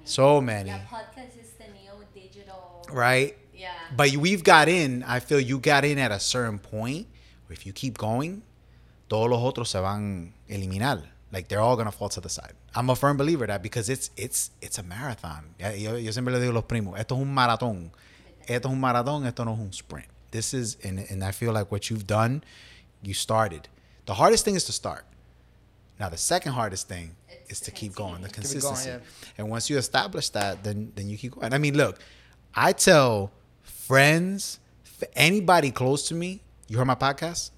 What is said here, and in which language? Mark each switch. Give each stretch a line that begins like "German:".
English: So many. Yeah, podcast is the new digital. Right? Yeah. But we've got in, I feel you got in at a certain point. If you keep going,
Spanish: todos los otros se van eliminar.
English: Like they're all going to fall to the side. I'm a firm believer that because it's a marathon.
Spanish: Yo siempre le digo a los primos, esto es un maratón. Esto es un maratón, esto no es un sprint.
English: This is, and I feel like what you've done, you started. The hardest thing is to start. Now, the second hardest thing is to keep going, the consistency. And once you establish that, then you keep going. I mean, look, I tell friends, anybody close to me, you heard my podcast?